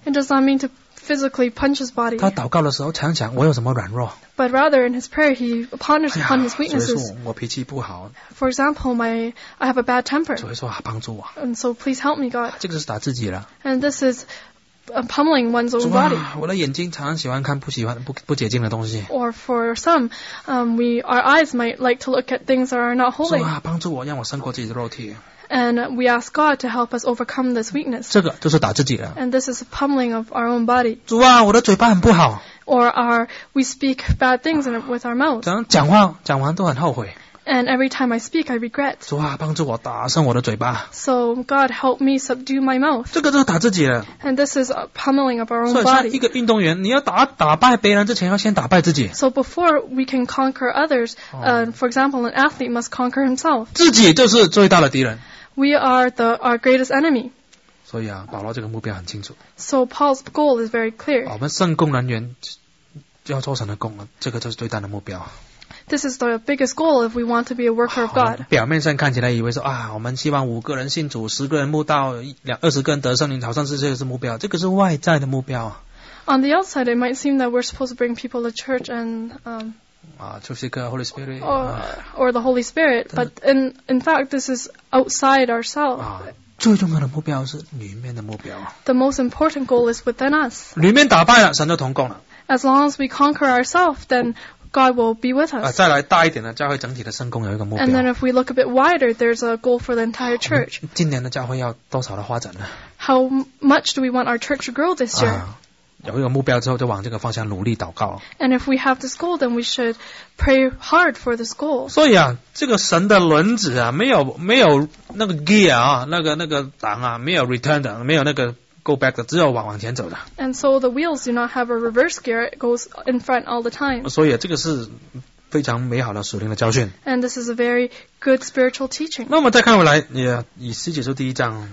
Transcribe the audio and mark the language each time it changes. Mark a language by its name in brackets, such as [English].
[English] It does not mean to physically punch his body. [Chinese] 他祷告的时候常常我有什么软弱 [English] But rather in his prayer, he ponders upon his weaknesses. [Chinese] 所以说我脾气不好 [English] For example, I have a bad temper. [Chinese] 所以说帮助我 [English] And so please help me, God. [Chinese] 这个是打自己了 [English] And this is pummeling one's own body. [Chinese] 我的眼睛常常喜欢看不洁净的东西 [English] Or for some, our eyes might like to look at things that are not holy. [Chinese] 帮助我让我胜过自己的肉体 [English] And we ask God to help us overcome this weakness. [Chinese] 这个就是打自己的 [English] And this is pummeling of our own body. [Chinese] 主啊，我的嘴巴很不好 [English] Or we speak bad things with our mouth. [Chinese] 讲完都很后悔 [English] And every time I speak, I regret. [Chinese] 主啊，帮助我打伤我的嘴巴 [English] So God help me subdue my mouth. [Chinese] 这个就是打自己的 [English] And this is pummeling of our own body. [Chinese] 所以像一个运动员，你要打败别人之前，要先打败自己 [English] So before we can conquer others, for example, an athlete must conquer himself. [Chinese] 自己就是最大的敌人。 [English] We are our greatest enemy. [Chinese] 所以保罗这个目标很清楚。 [English] So Paul's goal is very clear. [Chinese] 我们圣工人员要做神的工，这个就是最大的目标。 [English] This is the biggest goal if we want to be a worker of God. [Chinese] 表面上看起来以为说我们希望五个人信主，十个人慕道，二十个人得圣灵，好像是这个是目标。这个是外在的目标。 [English] On the outside, it might seem that we're supposed to bring people to church and Holy Spirit, or the Holy Spirit, but in fact, this is outside ourselves. [Chinese] 最重要的目标是里面的目标。 [English] The most important goal is within us. [Chinese] 里面打败了，神就同工了。 [English] As long as we conquer ourselves, then God will be with us. [Chinese] 再来大一点的教会整体的圣工有一个目标。 [English] And then if we look a bit wider, there's a goal for the entire church. [Chinese] 今年的教会要多少的发展呢 [English] ？How much do we want our church to grow this year? [Chinese] 有一个目标之后就往这个方向努力祷告。 [English] And if we have this goal, then we should pray hard for this goal. [Chinese] 所以啊，这个神的轮子啊，没有那个 gear 啊，那个档啊，没有 return 的，没有那个 [English] go back [Chinese] 的，只有往前走的。 [English] And so the wheels do not have a reverse gear, it goes in front all the time. [Chinese] 所以、啊、这个是非常美好的属灵的教训。 [English] And this is a very good spiritual teaching. [Chinese] 那么再看回来，以西结书第一章。